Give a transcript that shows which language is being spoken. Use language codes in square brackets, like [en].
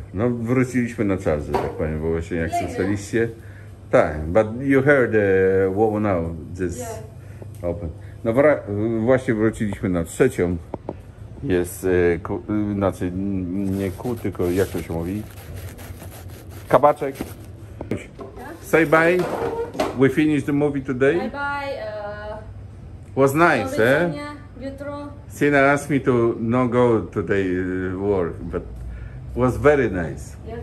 [pl] No wróciliśmy na czas, że tak powiem, bo właśnie jak słyszeliście. Tak, [en] but you heard the woman now, just yeah. Open. [pl] No właśnie wróciliśmy na trzecią. Jest, znaczy nie kół, tylko jak to się mówi? Kabaczek. [en] Yeah. Say bye. We finished the movie today. Bye bye. Was nice, eh? [pl] Jutro. [en] Sina asked me to not go today work, but was very nice.